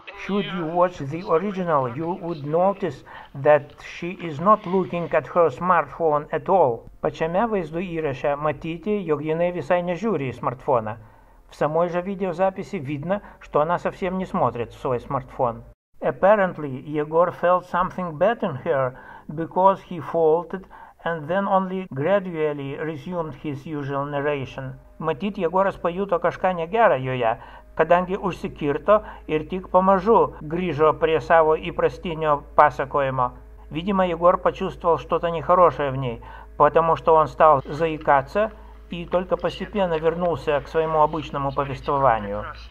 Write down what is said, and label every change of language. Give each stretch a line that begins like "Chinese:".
English: Should you watch the original, you would notice that she is not looking at her smartphone at all.
Lithuanian: Pačiame vaizdo įraše matyti, jog jinai visai nežiūri į smartfoną.
Russian: В самой же видеозаписи видно, что она совсем не смотрит в свой смартфон.
English: Apparently, Егор felt something bad in her, because he faltered and then only gradually resumed his usual narration.
Lithuanian: Matyt, Егорас pajuto kažką negerą joje, kadangi užsikirto ir tik pamažu grįžo prie savo įprastinio pasakojimo.
Russian: Видимо, Егор почувствовал что-то нехорошее в ней, потому что он стал заикаться и только постепенно вернулся к своему обычному повествованию.